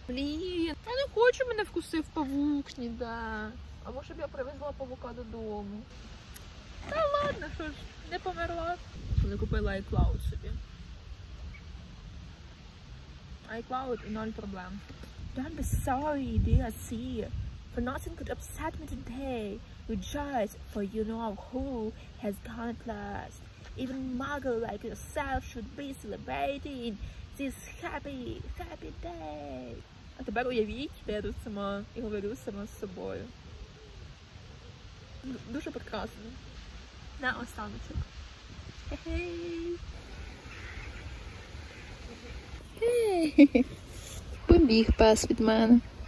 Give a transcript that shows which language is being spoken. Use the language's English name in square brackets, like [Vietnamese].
[Ukrainian] Блін, я не хочу, мене вкусив павук ніде. А може б я привезла павука додому? Та ладно, що ж, не померла. Вони купила iCloud собі. iCloud і ноль проблем. [English] Don't be sorry, dear C. For nothing could upset me today. Rejoice, for you know who has gone at last. Even muggle like yourself should be celebrating this happy, happy day. [Ukrainian] А тепер уявіть, де я тут сама і говорю сама з собою. Дуже прекрасно. На останочок. Хе-хей. Побіг пес від мене.